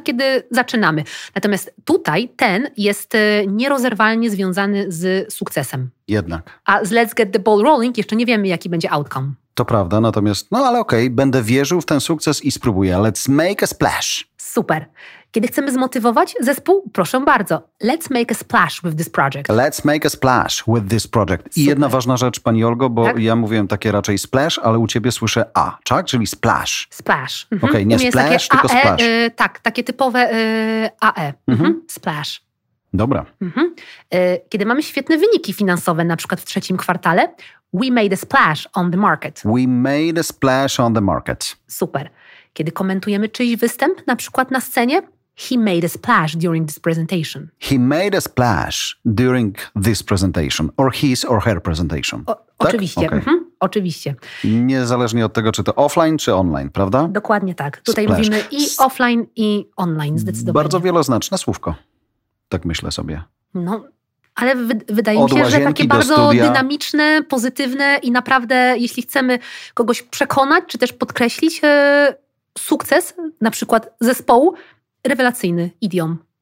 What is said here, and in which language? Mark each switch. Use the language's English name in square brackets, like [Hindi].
[Polish] Kiedy zaczynamy. Natomiast tutaj ten jest nierozerwalnie związany z sukcesem. Jednak. A z [English] let's get the ball rolling [Polish] jeszcze nie wiemy, jaki będzie outcome. To prawda, natomiast, no ale okej, będę wierzył w ten sukces i spróbuję. [English] Let's make a splash. [Polish] Super. Kiedy chcemy zmotywować zespół, proszę bardzo. [English] Let's make a splash with this project. Let's make a splash with this project. [Polish] Super. I jedna ważna rzecz, pani Olgo, bo tak? Ja mówiłem takie raczej splash, ale u ciebie słyszę A, tak? Czyli splash. [English] Splash. Mhm. [Polish] Okej, okay, nie splash, tylko A-E, [English] splash. [Polish] Tak, takie typowe AE. Mhm. Splash. Dobra. Mhm. Kiedy mamy świetne wyniki finansowe, na przykład w trzecim kwartale, [English] we made a splash on the market. We made a splash on the market. [Polish] Super. Kiedy komentujemy czyjś występ, na przykład na scenie, [English] he made a splash during this presentation. He made a splash during this presentation, or his or her presentation. [Polish] Oczywiście. [English] Okay. [Polish] Mhm. Oczywiście. Niezależnie od tego, czy to offline, czy online, prawda? Dokładnie tak. Tutaj [English] splash. [Polish] Mówimy i offline, i online zdecydowanie. Bardzo wieloznaczne słówko. Tak myślę sobie. No, ale wydaje mi się, że takie bardzo dynamiczne, pozytywne i naprawdę, jeśli chcemy kogoś przekonać, czy też podkreślić sukces, na przykład zespołu, rewelacyjny idiom.